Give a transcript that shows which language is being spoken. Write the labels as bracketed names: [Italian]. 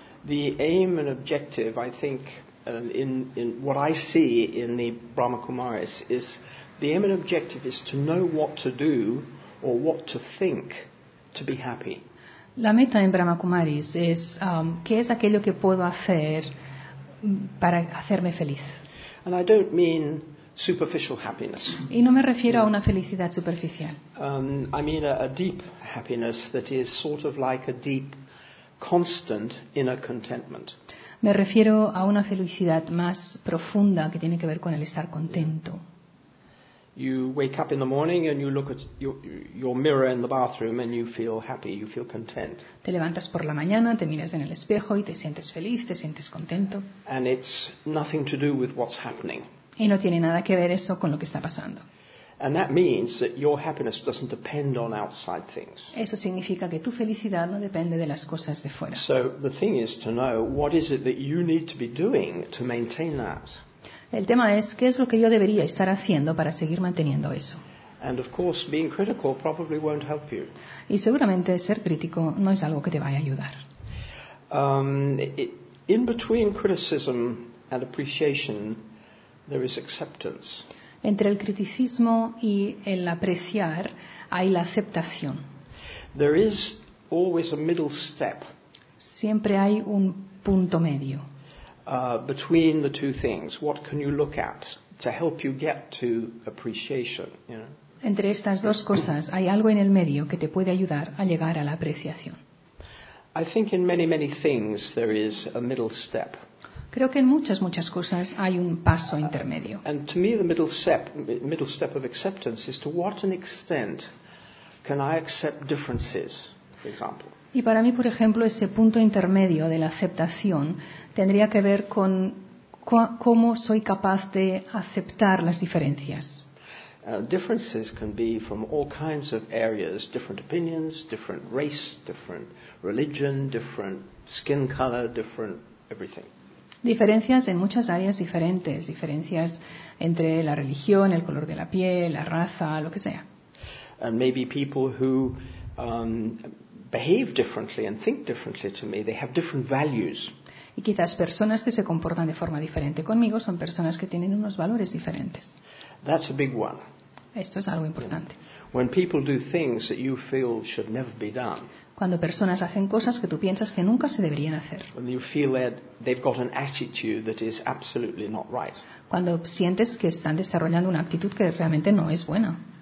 [English] The aim and objective, I think, in what I see in the Brahma Kumaris, is the aim and objective is to know what to do or what to think to be happy. [Spanish] La meta en Brahma Kumaris es qué es aquello que puedo hacer para hacerme feliz. [English] And I don't mean superficial happiness. [Spanish] Y no me refiero a una felicidad superficial. [English] I mean a deep happiness that is sort of like a deep constant inner contentment. [Spanish] Me refiero a una felicidad más profunda que tiene que ver con el estar contento. [English] You wake up in the morning and you look at your mirror in the bathroom and you feel happy, you feel content. [Spanish] Te levantas por la mañana, te miras en el espejo y te sientes feliz, te sientes contento. [English] And it's nothing to do with what's happening. [Spanish] Y no tiene nada que ver eso con lo que está pasando. [English] And that means that your happiness doesn't depend on outside things. [Spanish] Eso significa que tu felicidad no depende de las cosas de fuera. [English] So the thing is to know what is it that you need to be doing to maintain that. [Spanish] El tema es qué es lo que yo debería estar haciendo para seguir manteniendo eso. [English] And of course, being critical probably won't help you. [Spanish] Y seguramente ser crítico no es algo que te vaya a ayudar. [English] In between criticism and appreciation, there is acceptance. [Spanish] Entre el criticismo y el apreciar hay la aceptación. [English] There is always a middle step. [Spanish] Siempre hay un punto medio. [English] Between the two things, what can you look at to help you get to appreciation? You know? [Spanish] Entre estas dos cosas hay algo en el medio que te puede ayudar a llegar a la apreciación. [English] I think in many, many things there is a middle step. [Spanish] Creo que en muchas, muchas cosas hay un paso intermedio. [English] And to me the middle step of acceptance is to what an extent can I accept differences, for example. [Spanish] Y para mí, por ejemplo, ese punto intermedio de la aceptación tendría que ver con cómo soy capaz de aceptar las diferencias. [English] Differences can be from all kinds of areas, different opinions, different race, different religion, different skin color, different everything. [Spanish] Diferencias en muchas áreas diferentes, diferencias entre la religión, el color de la piel, la raza, lo que sea. [English] And maybe people who behave differently and think differently to me, they have different values. [Spanish] Y quizás personas que se comportan de forma diferente conmigo son personas que tienen unos valores diferentes. [English] That's a big one. [Spanish] Esto es algo importante. [English] When people do things that you feel should never be done. [Spanish] Cuando personas hacen cosas que tú piensas que nunca se deberían hacer. [English] When you feel that they've got an attitude that is absolutely not right. [Spanish] Cuando sientes que están desarrollando una actitud que realmente no es buena.